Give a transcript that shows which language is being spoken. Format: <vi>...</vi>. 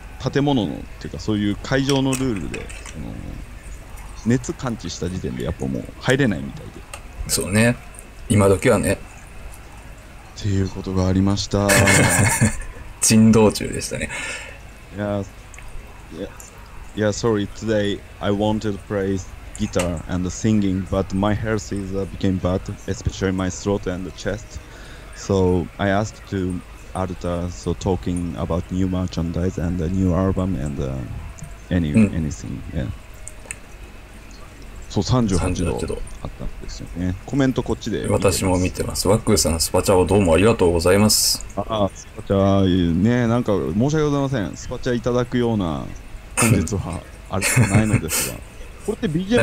<ja>建物のっていうか、そういう会場のルールで熱感知した時点でやっぱもう入れないみたいで、そうね、今時はね、っていうことがありました。人道中でしたね。</ja> <en>いや、sorry, today I wanted to play guitar and singing, but my health is became bad, especially my throat and the chest. So I asked to Aruta, so talking about new merchandise and a new album and anything, yeah.</en> <ja>そう、38度あったんですよね。コメントこっちで。私も見てます。ワックーさん、スパチャをどうもありがとうございます。ああ、スパチャ、ねえ、なんか申し訳ございません。スパチャいただくような本日はあれじゃないのですが。これって BGM</ja>